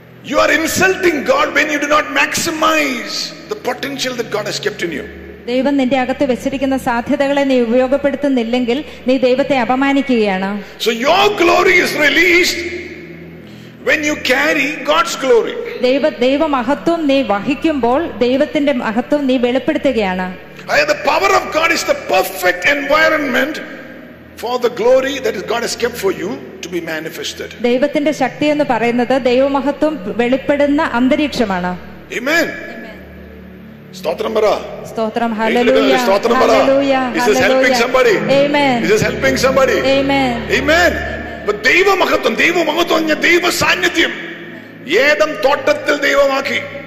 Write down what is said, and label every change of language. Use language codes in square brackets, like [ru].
[en] You are insulting God when you do not maximise the potential that God has kept in you. [ml] ദൈവം നിന്റെ അകത്ത് വെച്ചിരിക്കുന്ന സാധ്യതകളെ നീ ഉപയോഗപ്പെടുത്തുന്നില്ലെങ്കിൽ നീ ദൈവത്തെ അപമാനിക്കുകയാണ്. [en] So your glory is released when you carry God's glory. [ml] ദൈവ മഹത്വം നീ വഹിക്കുമ്പോൾ ദൈവത്തിന്റെ മഹത്വം നീ വെളിപ്പെടുത്തുകയാണ്. [en] The power of God is the perfect environment for the glory that God has kept for you to be manifested. [ml] ദൈവത്തിന്റെ ശക്തി എന്ന് പറയുന്നത് ദൈവ മഹത്വം വെളിപ്പെടുന്ന അന്തരീക്ഷമാണ്. Amen. സ്തോത്രം പറ. സ്തോത്രം. ഹല്ലേലൂയ. സ്തോത്രം പറ. Hallelujah. [en] Is helping somebody. [ml] Amen. [en] Is helping somebody. [ml] Amen. Amen. But ദൈവമഹത്വം, ദൈവമഹത്വം, ദൈവ സാന്നിധ്യം ഏദൻ തോട്ടത്തിൽ ദൈവമാക്കി.